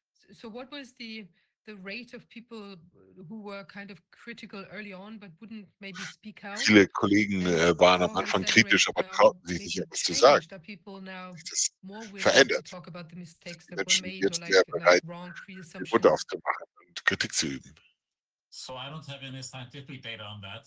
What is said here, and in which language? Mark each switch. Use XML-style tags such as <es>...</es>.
<en>So what was the rate of people who were kind of critical early on, but wouldn't maybe speak out?</en> <de>Viele Kollegen waren am Anfang kritisch, aber trauten sich nicht etwas zu sagen. Das verändert. Menschen jetzt sehr bereit, den Mund aufzumachen und Kritik zu üben.</de> <en>So I don't have any scientific data on that.</en>